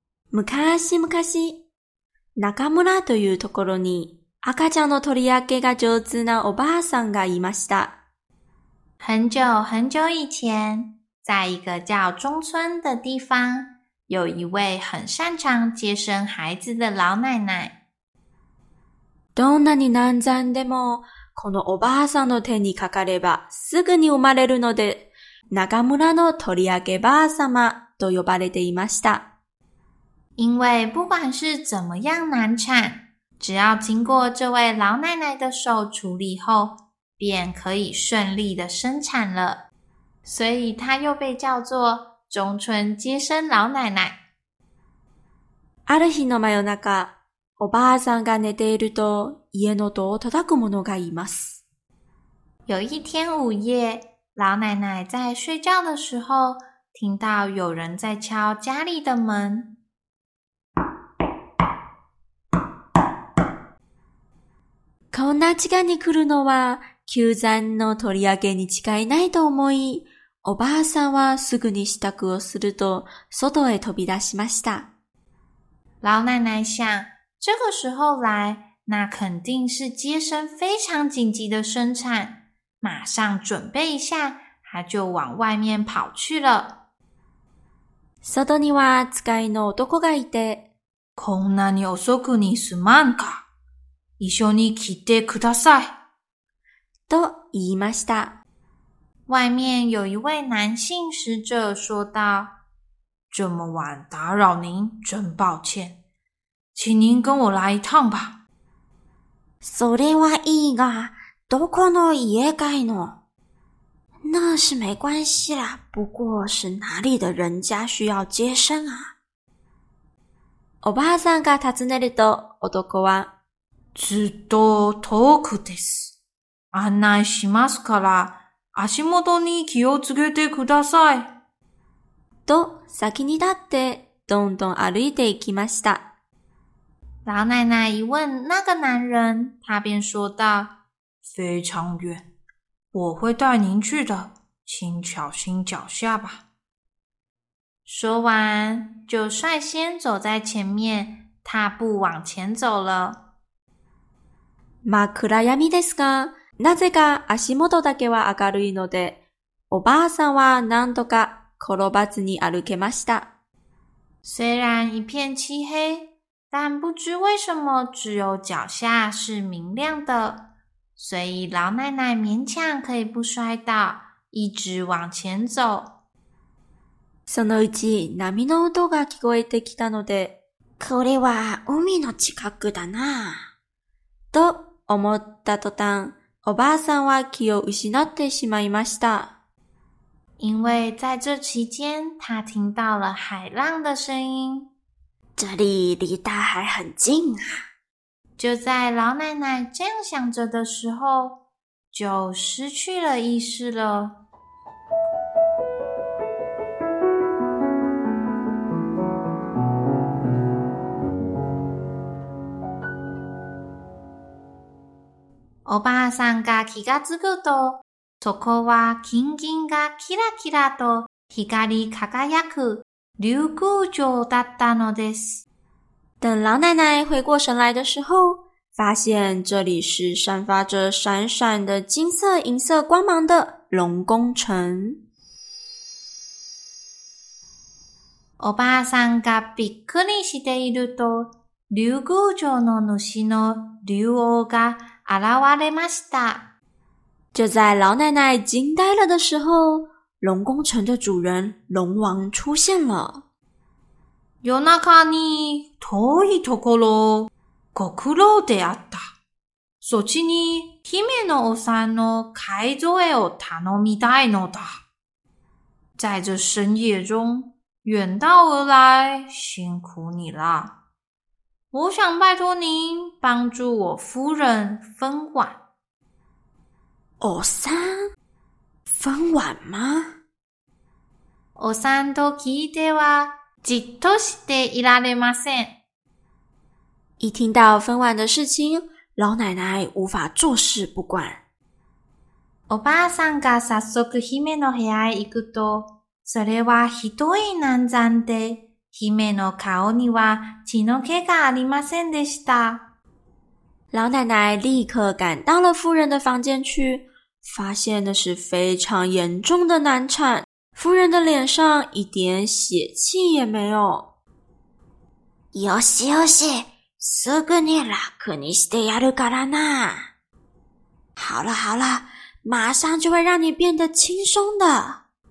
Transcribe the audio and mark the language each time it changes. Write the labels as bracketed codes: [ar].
[ja] 昔々、中村というところに赤ちゃんの取り分けが上手なおばあさんがいました。 [zh] 很久很久以前，在一个叫中村的地方，有一位很擅长接生孩子的老奶奶。 [ja] どんなに難産でも、このおばあさんの手にかかればすぐに生まれるので、中村の取り上げ婆様と呼ばれていました。 [zh] 因为不管是怎么样难产，只要经过这位老奶奶的手处理后，便可以顺利的生产了。所以她又被叫做中村接生老奶奶。 [ja] ある日の真夜中、おばあさんが寝ていると家の戸を叩く者がいます。 [zh] 有一天午夜，老奶奶在睡觉的时候，听到有人在敲家里的门。 [ja] こんな時間に来るのは、旧山の取り上げに違いないと思い、おばあさんはすぐに支度をすると、外へ飛び出しました。 [zh] 老奶奶想、这个时候来、那肯定是接生非常紧急的生产。马上准备一下，他就往外面跑去了。 [ja] 外には使いの男がいて、こんなに遅くにすまんか。一緒に来てください。と言いました。 [zh] 外面有一位男性使者说道：“ 这么晚打扰您，真抱歉。请您跟我来一趟吧。” [ja] それはいいが。どこの家かいの？ [zh] 那是没关系啦，不过是哪里的人家需要接生啊。 [ja] おばあさんが尋ねると、男は、ずっと遠くです。案内しますから、足元に気をつけてください。と、先に立って、どんどん歩いていきました。 [zh] 老奶奶一问那个男人、他便说道、非常远，我会带您去的，请小心脚下吧。说完，就率先走在前面，踏步往前走了。 [ja] 真暗闇ですが、なぜか足元だけは明るいので、おばあさんはなんとか転ばずに歩けました。 [zh] 虽然一片漆黑，但不知为什么只有脚下是明亮的。所以老奶奶勉强可以不摔倒，一直往前走。 [ja] そのうち波の音が聞こえてきたので、これは海の近くだな。と思った途端、おばあさんは気を失ってしまいました。 [zh] 因为在这期间，她听到了海浪的声音。这里离大海很近啊。就在老奶奶这样想着的时候，就失去了意识了。 [ja] おばあさんが気がつくと、そこは金銀がキラキラと光り輝く竜宮城だったのです。 [zh] 等老奶奶回过神来的时候，发现这里是散发着闪闪的金色银色光芒的龙宫城。 [ja] おばあさんがびっくりしていると、竜宮城の主の竜王が現れました。 [zh] 就在老奶奶惊呆了的时候，龙宫城的主人龙王出现了。 [ja] 夜中に遠いところご苦労であった。そちに姫のおさんの介添えを頼みたいのだ。 [zh] 在这深夜中远道而来，辛苦你啦。我想拜托您帮助我夫人分碗。おさん、分碗吗？ [ja] おさんと聞いてはじっとしていられません。 [zh] 一听到分碗的事情，老奶奶无法坐视不管。 [ja] おばあさんが早速姫の部屋へ行くと、それはひどい難産で、姫の顔には血の気がありませんでした。 [zh] 老奶奶立刻赶到了夫人的房间去，发现的是非常严重的难产，夫人的脸上一点血气也没有。 [ja] よしよし、すぐに楽にしてやるからな。 [zh] 好了好了，马上就会让你变得轻松的。